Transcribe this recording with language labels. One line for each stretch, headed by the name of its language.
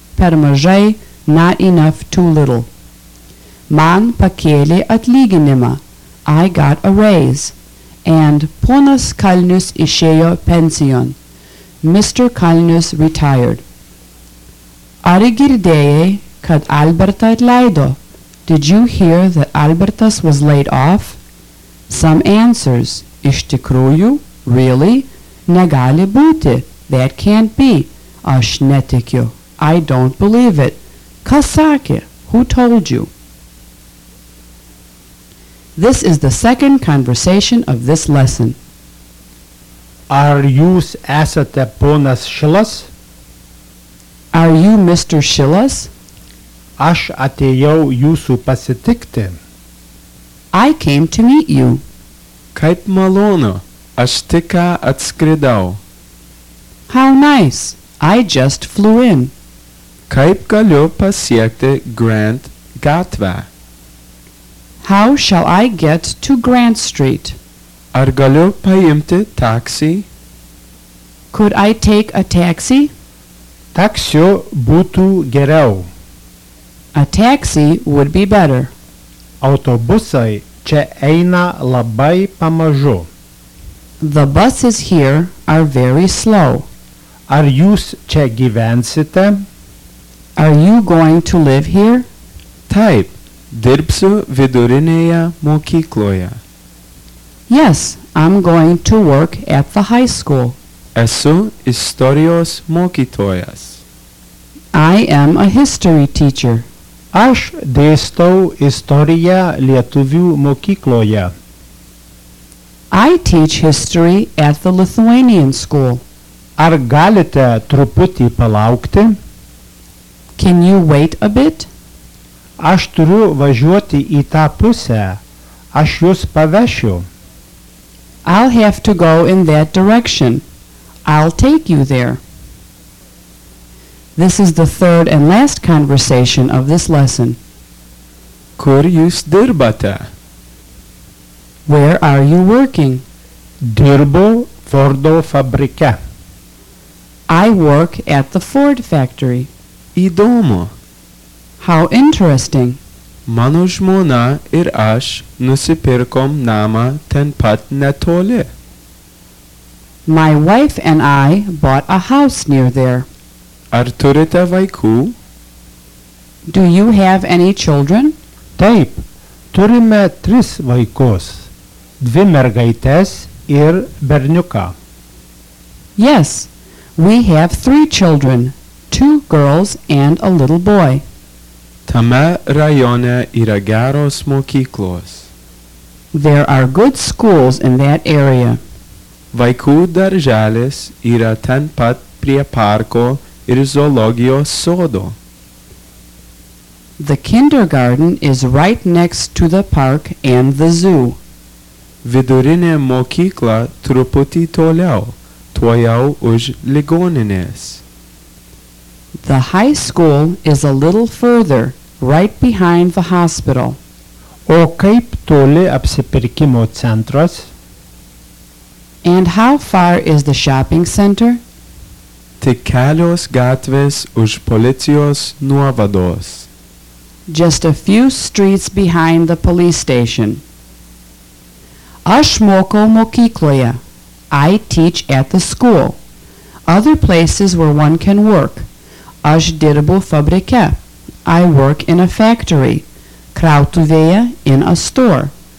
Lithuanian: Per mažai,
English: not enough, too little.
Lithuanian: Man pakėlė atlyginimą.
English: I got a raise. And
Lithuanian: ponas Kalnius išėjo
English: pension. Mr. Kalnius retired.
Lithuanian: Ar girdėjai, kad Albertą atleido?
English: Did you hear that Albertas was laid off? Some answers.
Lithuanian: Iš tikrųjų,
English: really,
Lithuanian: negali būti,
English: that can't be,
Lithuanian: aš netikiu,
English: I don't believe it,
Lithuanian: kas sakė,
English: who told you? This is the second conversation of this lesson.
Lithuanian: Ar jūs esate ponas Šilas?
English: Are you Mr. Šilas?
Lithuanian: Aš atėjau jūsų pasitikti.
English: I came to meet you.
Lithuanian: Kaip malonu, aš tik ką atskridau.
English: How nice, I just flew in.
Lithuanian: Kaip galiu pasiekti Grant gatvę?
English: How shall I get to Grant Street?
Lithuanian: Ar galiu paimti taksi?
English: Could I take a taxi?
Lithuanian: Taksiu būtų geriau.
English: A taxi would be better.
Lithuanian: Autobusai. Čia eina labai pamažu.
English: The buses here are very slow.
Lithuanian: Ar jūs čia gyvensite?
English: Are you going to live here?
Lithuanian: Taip, dirbsiu vidurinėje mokykloje.
English: Yes, I'm going to work at the high school.
Lithuanian: Esu istorijos mokytojas.
English: I am a history teacher.
Lithuanian: Aš dėstau istoriją lietuvių mokykloje.
English: I teach history at the Lithuanian school.
Lithuanian: Ar galite truputį palaukti?
English: Can you wait a bit?
Lithuanian: Aš turiu važiuoti į tą pusę. Aš jus pavešiu.
English: I'll have to go in that direction. I'll take you there. This is the third and last conversation of this lesson.
Lithuanian: Kur jūs dirbate?
English: Where are you working?
Lithuanian: Dirbu Fordo fabrike.
English: I work at the Ford factory.
Lithuanian: Įdomu.
English: How interesting.
Lithuanian: Mano žmona ir aš nusipirkom namą ten pat netoli.
English: My wife and I bought a house near there.
Lithuanian: Ar turite vaikų?
English: Do you have any children?
Lithuanian: Taip, turime tris vaikus. Dvi mergaites ir berniuką.
English: Yes, we have three children, two girls and a little boy.
Lithuanian: Tame rajone yra geros mokyklos.
English: There are good schools in that area.
Lithuanian: Vaikų darželis yra ten pat prie parko ir zoologijos sodo.
English: The kindergarten is right next to the park and the zoo.
Lithuanian: Vidurinė mokykla truputį toliau, tuojau už ligoninės.
English: The high school is a little further, right behind the hospital.
Lithuanian: O kaip toli apsipirkimo centras?
English: And how far is the shopping center?
Lithuanian: Tik kelios gatvės už policijos nuovados.
English: Just a few streets behind the police station.
Lithuanian: Aš mokau mokykloje.
English: I teach at the school. Other places where one can work.
Lithuanian: Aš dirbu fabrike.
English: I work in a factory.
Lithuanian: Krautuvėje
English: in a store.